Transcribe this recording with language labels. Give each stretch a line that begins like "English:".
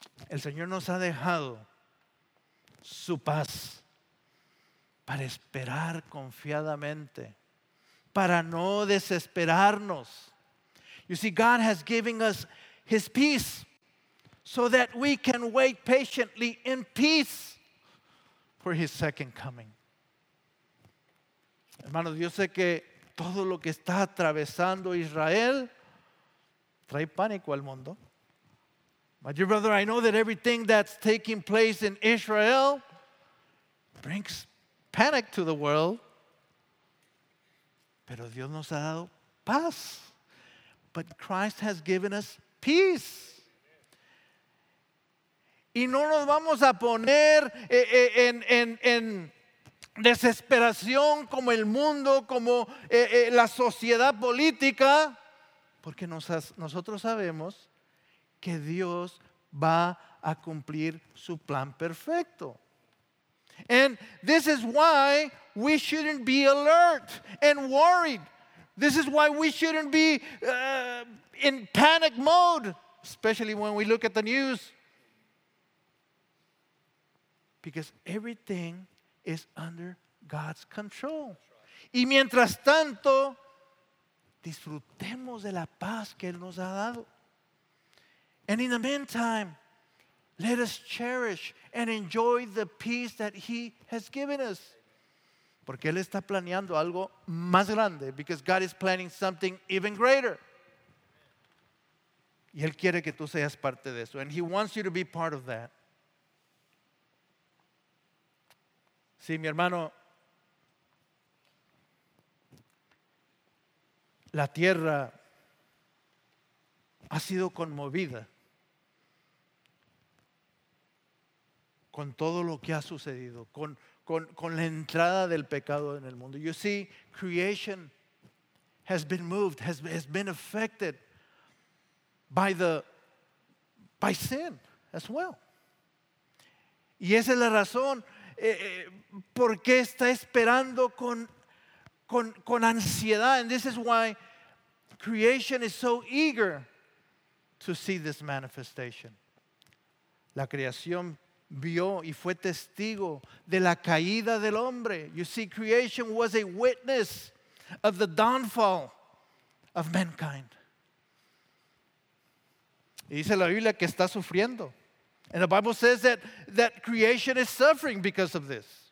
Spanish: El Señor nos ha dejado su paz para esperar confiadamente. Para no desesperarnos.
English: You see, God has given us his peace so that we can wait patiently in peace for his second coming.
Spanish: Hermanos, yo sé que todo lo que está atravesando Israel trae pánico al mundo.
English: My dear brother, I know that everything that's taking place in Israel brings panic to the world.
Spanish: Pero Dios nos ha dado paz.
English: But Christ has given us peace.
Spanish: Y no nos vamos a poner en desesperación como el mundo, como la sociedad política. Porque nosotros sabemos que Dios va a cumplir su plan perfecto.
English: And this is why we shouldn't be alert and worried. This is why we shouldn't be in panic mode, especially when we look at the news. Because everything is under God's control.
Spanish: Y mientras tanto, disfrutemos de la paz que Él nos ha dado.
English: And in the meantime, let us cherish and enjoy the peace that he has given us.
Spanish: Porque él está planeando algo más grande.
English: Because God is planning something even greater.
Spanish: Y él quiere que tú seas parte de eso.
English: And he wants you to be part of that.
Spanish: Sí, mi hermano. La tierra ha sido conmovida con todo lo que ha sucedido, con, con la entrada del pecado en el mundo.
English: You see, creation has been moved, has been affected by sin as well.
Spanish: Y esa es la razón por qué está esperando con ansiedad.
English: And this is why creation is so eager to see this manifestation.
Spanish: La creación vio y fue testigo de la caída del hombre.
English: You see, creation was a witness of the downfall of mankind.
Spanish: Y dice la Biblia que está sufriendo.
English: And the Bible says that creation is suffering because of this.